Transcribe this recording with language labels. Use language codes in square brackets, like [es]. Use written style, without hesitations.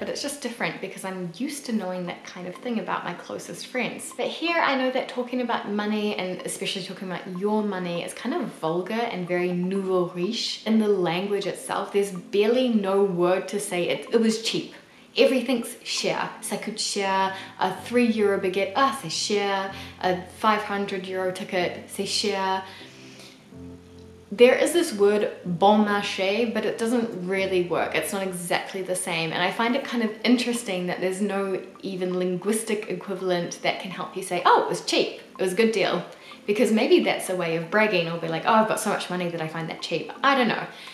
[en] But it's just different because I'm used to knowing that kind of thing about my closest friends. But here, I know that talking about money, and especially talking about your money, is kind of vulgar and very nouveau riche in the language itself. There's barely no word to say it was cheap. Everything's [fr] cher. Ça coûte cher. [en] A 3 euro baguette, [fr] ah, c'est cher. [en] A 500 euro ticket, [fr] c'est cher. [en] There is this word bon marché, but it doesn't really work. It's not exactly the same. And I find it kind of interesting that there's no even linguistic equivalent that can help you say, oh, it was cheap, it was a good deal. Because maybe that's a way of bragging or be like, oh, I've got so much money that I find that cheap. I don't know.